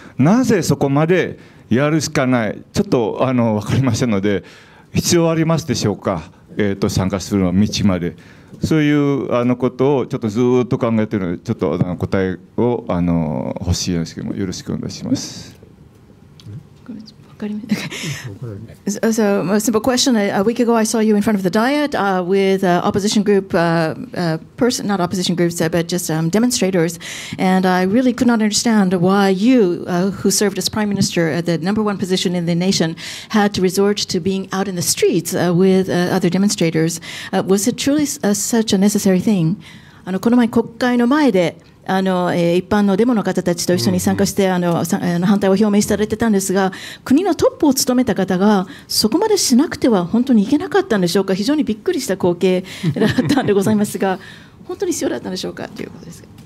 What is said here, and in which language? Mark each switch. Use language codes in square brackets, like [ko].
[ja] なぜそこまでやるしかない、ちょっとあの分かりませんので、必要ありますでしょうか、参加するの道まで、そういうあのことをちょっとずっと考えているので、ちょっとあの答えをあの欲しいですけども、よろしくお願いします。 [en] Okay. So, a simple question. A week ago, I saw you in front of the Diet with opposition group, not opposition groups, but just demonstrators. And I really could not understand why you, who served as Prime Minister at the number one position in the nation, had to resort to being out in the streets with other demonstrators. Was it truly such a necessary thing? [ja] あの、この前、国会の前で、あの一般のデモの方たちと一緒に参加して、うん、あの反対を表明されてたんですが、国のトップを務めた方がそこまでしなくては本当にいけなかったんでしょうか。非常にびっくりした光景だったんでございますが本当に必要だったんでしょうかということです。